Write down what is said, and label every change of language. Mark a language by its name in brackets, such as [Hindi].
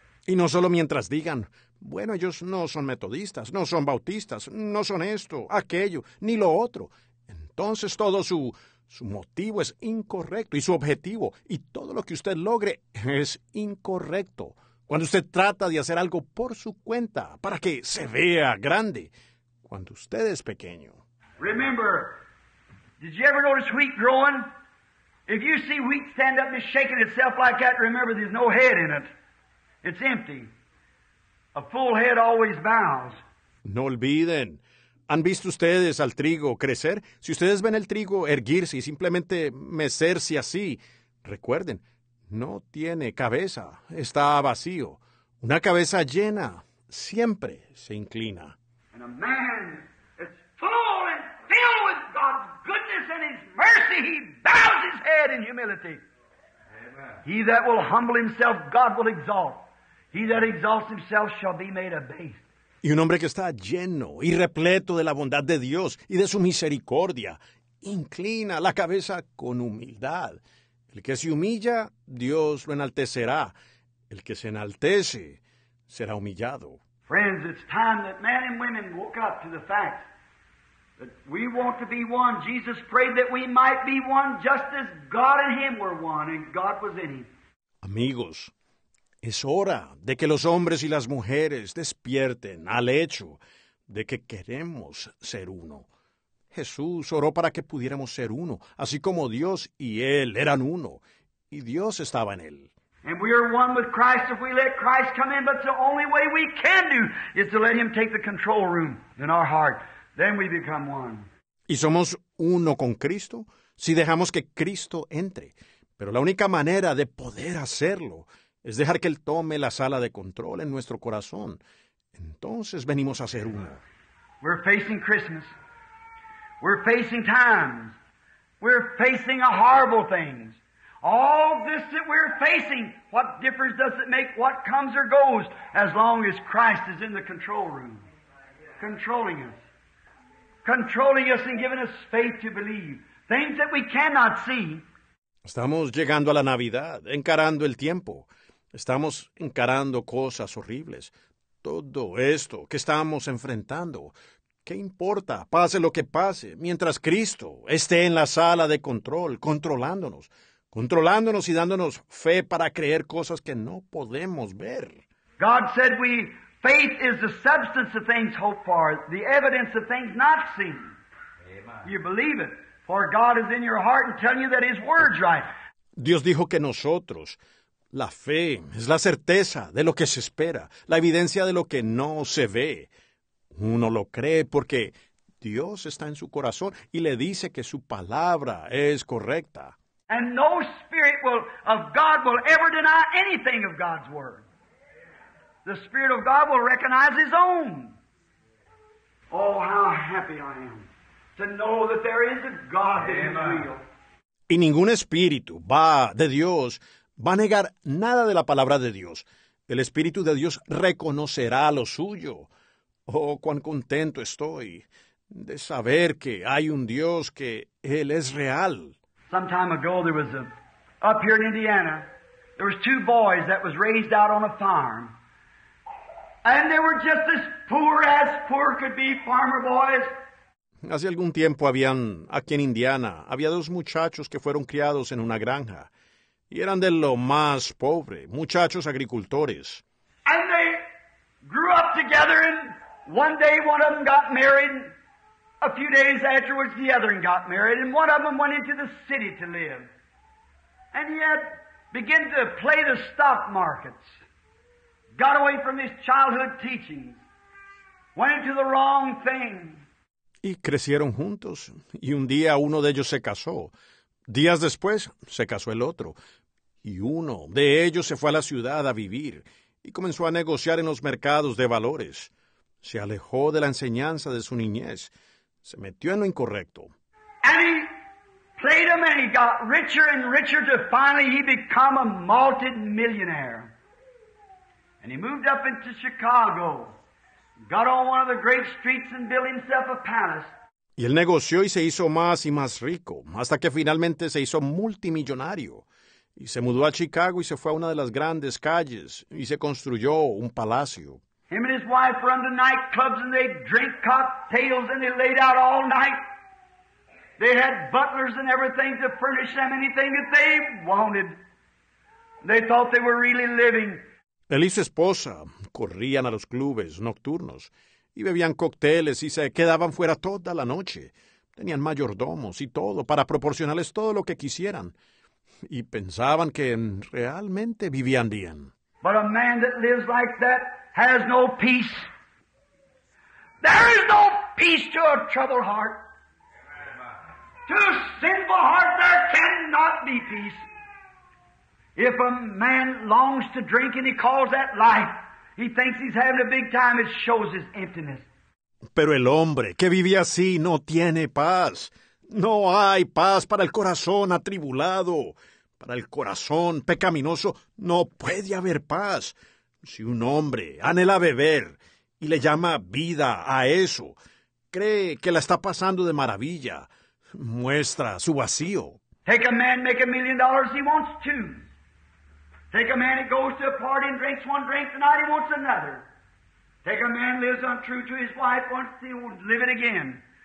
[Spanish] Y no solo mientras digan, bueno, ellos no son metodistas, no son bautistas, no son esto, aquello, ni lo otro. Entonces todo su motivo es incorrecto, y su objetivo, y todo lo que usted logre es incorrecto. Cuando usted trata de hacer algo por su cuenta, para que se vea grande, cuando usted es pequeño. [English] Remember, did you ever notice wheat growing? If you see wheat stand up and shaking itself like that, remember there's no head in it. It's empty. A full head always bows. [Spanish] No olviden. ¿Han visto ustedes al trigo crecer? Si ustedes ven el trigo erguirse y simplemente mecerse así, recuerden, no tiene cabeza, está vacío. Una cabeza llena siempre se inclina. [English] And a man is full and filled with God's goodness and His mercy, he bows his head in humility. Amen. He that will humble himself, God will exalt. He that exalts himself shall be made abased. [Spanish] Y un hombre que está lleno y repleto de la bondad de Dios y de su misericordia, inclina la cabeza con humildad. El que se humilla, Dios lo enaltecerá. El que se enaltece, será humillado. [English] Friends, it's time that men and women woke up to the fact that we want to be one. Jesus prayed that we might be one just as God and Him were one and God was in Him. [Spanish] Amigos, es hora de que los hombres y las mujeres despierten al hecho de que queremos ser uno. Jesús oró para que pudiéramos ser uno, así como Dios y Él eran uno, y Dios estaba en Él. [English] And we are one with Christ if we let Christ come in, but the only way we can do is to let Him take the control room in our heart. Then we become one. [Spanish] Y somos uno con Cristo si dejamos que Cristo entre. Pero la única manera de poder hacerlo es dejar que Él tome la sala de control en nuestro corazón. Entonces venimos a ser uno. [English] We're facing Christmas. We're facing times. We're facing a horrible things. All this that we're facing, what difference does it make what comes or goes as long as Christ is in the control room, controlling us. Controlling us and giving us faith to believe. Things that we cannot see. [Spanish] Estamos llegando a la Navidad, encarando el tiempo. Estamos encarando cosas horribles. Todo esto que estamos enfrentando, ¿qué importa? Pase lo que pase, mientras Cristo esté en la sala de control, controlándonos y dándonos fe para creer cosas que no podemos ver. [English] God said we faith is the substance of things hoped for, the evidence of things not seen. Amen. You believe it, for God is in your heart and telling you that His word's right. [Spanish] Dios dijo que nosotros, la fe es la certeza de lo que se espera, la evidencia de lo que no se ve. Uno lo cree porque Dios está en su corazón y le dice que su palabra es correcta. [English] And no spirit of God will ever deny anything of God's word. The spirit of God will recognize His own. Oh, how happy I am to know that there is a God that is real. [Spanish] Y ningún espíritu va de Dios va a negar nada de la palabra de Dios. El Espíritu de Dios reconocerá lo suyo. Oh, cuán contento estoy de saber que hay un Dios que Él es real. [English] Some time ago, there was up here in Indiana, there was two boys that was raised out on a farm. And they were just as poor could be farmer boys. [Spanish] Hace algún tiempo habían, aquí en Indiana, había dos muchachos que fueron criados en una granja. Y eran de lo más pobre, muchachos agricultores. [English] And they grew up together, and one day one of them got married. A few days afterwards, the other one got married, and one of them went into the city to live. And he had begun to play the stock markets. Got away from his childhood teachings. Went into the wrong thing. [Spanish] Y crecieron juntos, y un día uno de ellos se casó. Días después, se casó el otro. Y uno de ellos se fue a la ciudad a vivir, y comenzó a negociar en los mercados de valores. Se alejó de la enseñanza de su niñez. Se metió en lo incorrecto. [English] And he played him and he got richer and richer till finally he became a multi-millionaire. And he moved up into Chicago. Got on one of the great streets and built himself a palace. [Spanish] Y él negoció y se hizo más y más rico, hasta que finalmente se hizo multimillonario. Y se mudó a Chicago y se fue a una de las grandes calles y se construyó un palacio. [English] Him and his wife run to nightclubs and they drink cocktails and they laid out all night. They had butlers and everything to furnish them anything that they wanted. They thought they were really living. [Spanish] Él y su esposa corrían a los clubes nocturnos y bebían cócteles y se quedaban fuera toda la noche. Tenían mayordomos y todo para proporcionarles todo lo que quisieran. Y pensaban que realmente vivían bien. [English] But a man that lives like that has no peace. There is no peace to a troubled heart. To a sinful heart there cannot be peace. If a man longs to drink and he calls that life, he thinks he's having a big time, it shows his emptiness. [Spanish] Pero el hombre que vive así no tiene paz. No hay paz para el corazón atribulado. Para el corazón pecaminoso no puede haber paz. Si un hombre anhela beber y le llama vida a eso, cree que la está pasando de maravilla, muestra su vacío. [English] Take a man, make $1 million, he wants two. Take a man that goes to a party and drinks one drink tonight, he wants another. Take a man lives untrue to his wife, wants to live it again.